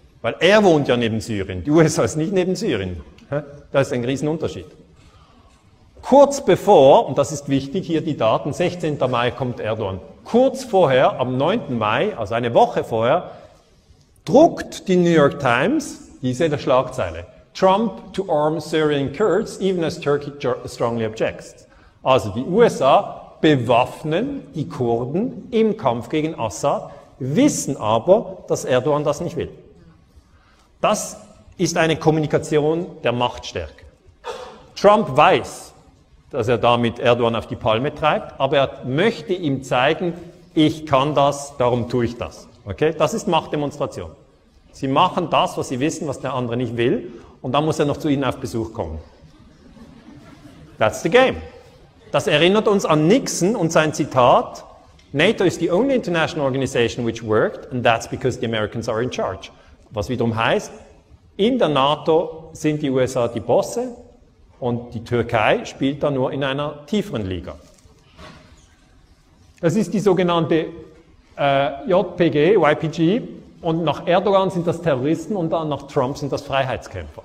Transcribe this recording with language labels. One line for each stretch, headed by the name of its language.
German: Weil er wohnt ja neben Syrien, die USA ist nicht neben Syrien. Das ist ein Riesenunterschied. Kurz bevor, und das ist wichtig, hier die Daten, 16. Mai kommt Erdogan. Kurz vorher, am 9. Mai, also eine Woche vorher, druckt die New York Times diese Schlagzeile.
English: Trump to arm Syrian Kurds, even as Turkey strongly objects.
German: Also die USA bewaffnen die Kurden im Kampf gegen Assad, wissen aber, dass Erdogan das nicht will. Das ist eine Kommunikation der Machtstärke. Trump weiß, dass er damit Erdogan auf die Palme treibt, aber er möchte ihm zeigen, ich kann das, darum tue ich das. Okay? Das ist Machtdemonstration. Sie machen das, was sie wissen, was der andere nicht will, und dann muss er noch zu ihnen auf Besuch kommen.
English: That's the game.
German: Das erinnert uns an Nixon und sein Zitat,
English: NATO is the only international organization which worked, and that's because the Americans are in charge.
German: Was wiederum heißt, in der NATO sind die USA die Bosse und die Türkei spielt da nur in einer tieferen Liga. Das ist die sogenannte YPG, und nach Erdogan sind das Terroristen und dann nach Trump sind das Freiheitskämpfer.